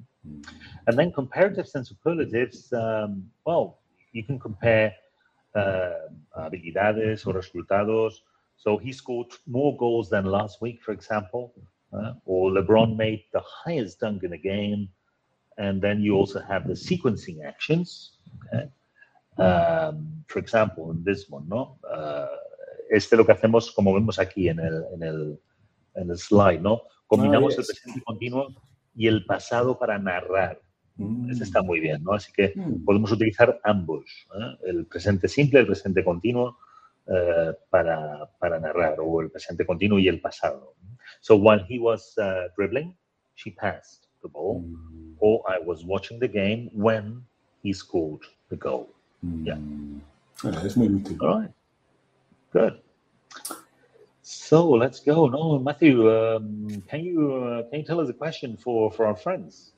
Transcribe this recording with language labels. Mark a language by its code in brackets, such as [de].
[en] And then comparatives and superlatives, you can compare [es] habilidades o resultados. [en] So he scored more goals than last week, for example. Or LeBron made the highest dunk in the game. And then you also have the sequencing actions. Okay. For example, in this one, no? [es] Este lo que hacemos, como vemos aquí en el slide, no? Combinamos el presente continuo y el pasado para narrar. Eso está muy bien, ¿no? Así que podemos utilizar ambos, el presente simple, el presente continuo para narrar, o el presente continuo y el pasado. [en] So while he was dribbling, she passed the ball, or I was watching the game when he scored the goal. Yeah. [es] Es muy útil. [en] All right. Good. So let's go. No, Matthew, can you tell us a question for our friends?